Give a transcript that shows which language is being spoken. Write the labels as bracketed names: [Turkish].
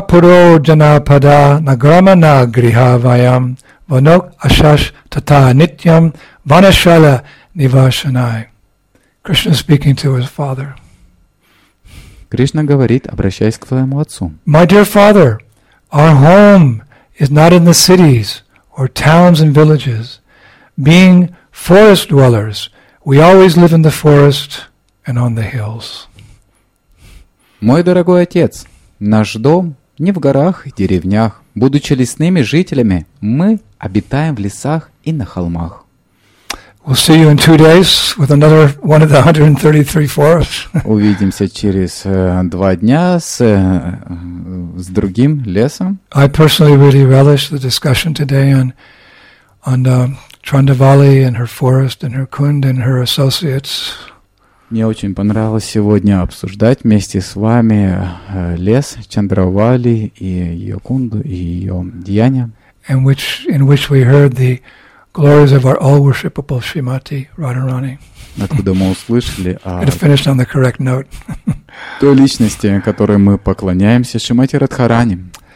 [Sanskrit] Нанапуро-джанапада награмана-грихавайам ванок-ашаш-тата-нитьям ванашала-нивашанай. [English] Krishna speaking to his father. [Russian] Кришна говорит, обращаясь к своему отцу. [English] My dear father, our home is not in the cities or towns and villages. Being forest dwellers, we always live in the forest and on the hills. [Russian] Мой дорогой отец, наш дом не в горах и деревнях. Будучи лесными жителями, мы обитаем в лесах и на холмах. [English] We'll see you in 2 days with another one of the 133 forests. [Russian] Увидимся через 2 дня с другим лесом. [English] I personally really relish the discussion today on Trundavali and her forest and her Kund and her associates. [Russian] Мне очень понравилось сегодня обсуждать вместе с вами лес Чандравали и ее кунду и ее деяния. [English] In which we heard the glories of our all-worshipable Srimati Radharani. [Russian] Откуда мы услышали о... [English] It finished on the correct note. [Russian] Той личности, которой мы поклоняемся, Шримати Радхарани.